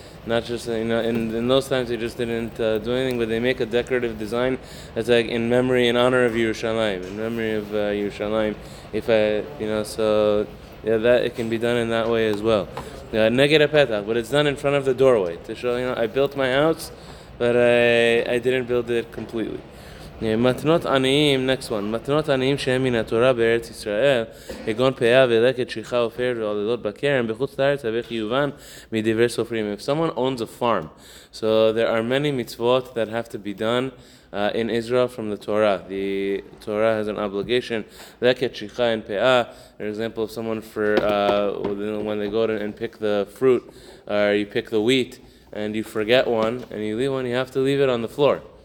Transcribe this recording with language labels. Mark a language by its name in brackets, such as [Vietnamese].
[English] Not just, you know, in those times they just didn't do anything, but they make a decorative design that's like in memory, in honor of Yerushalayim, in memory of Yerushalayim. That it can be done in that way as well. Neged HaPetach, but it's done in front of the doorway to show, you know, I built my house, but I didn't build it completely. מתנות עניים, next one. [Hebrew] מתנות עניים שהם מן התורה בארץ ישראל, כגון פאה ולקט, שיחה עופרת ועוללות בקרן, בחוץ לארץ, הווה חיובן מדברי סופרים. [English] If someone owns a farm, so there are many mitzvot that have to be done in Israel from the Torah. The Torah has an obligation, leket, shicha, and pe'ah. For example, if someone when they go to and pick the fruit, or you pick the wheat, and you forget one, and you leave one, you have to leave it on the floor.